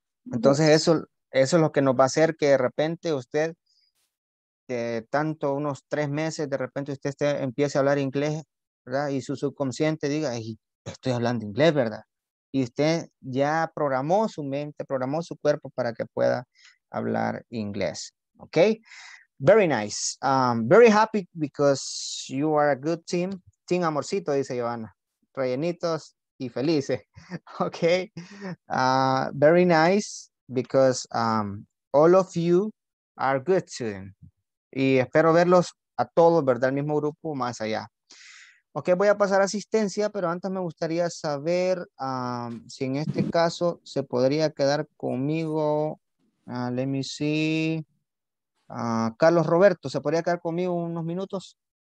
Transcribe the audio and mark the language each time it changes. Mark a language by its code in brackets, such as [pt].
[es] Entonces eso es lo que nos va a hacer que de repente usted, de tanto unos 3 meses, de repente usted empiece a hablar inglés, ¿verdad? Y su subconsciente diga, estoy hablando inglés, ¿verdad? Y usted ya programó su mente, programó su cuerpo para que pueda hablar inglés. [en] Okay, very nice. Very happy because you are a good team. Team Amorcito, dice Giovanna. [es] Rellenitos y felices. [en] Okay, very nice because all of you are good team. [es] Y espero verlos a todos, ¿verdad? El mismo grupo más allá. Okay, voy a pasar a asistencia, pero antes me gustaría saber si en este caso se podría quedar conmigo. [en] Let me see. [es] Carlos Roberto, ¿se podría quedar conmigo unos minutos?